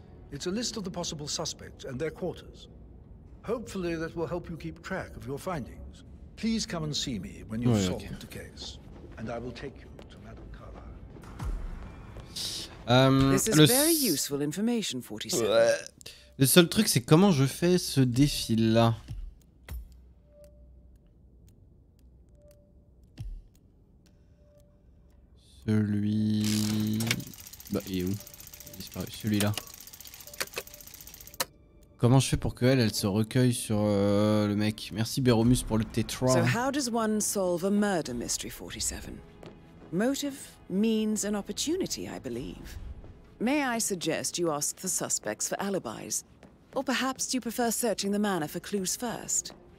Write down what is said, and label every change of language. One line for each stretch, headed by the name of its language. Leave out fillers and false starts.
English: It's a list of the possible suspects and their quarters. Hopefully that will help you keep track of your findings. Please come and see me when you've solved the case, and I will take you to Madame Carlyle. This is very useful information, 47.
French: Le seul truc, c'est comment je fais ce défi-là. Celui... Bah, il est où ? Il a disparu. Celui-là. Comment je fais pour qu'elle, elle se recueille sur le mec ? Merci Béromus pour le T3.
English: So how does one solve a murder mystery, 47? Motive, means and opportunity, I believe. May I suggest you ask the suspects for alibis? Or perhaps you prefer searching the manor for clues first?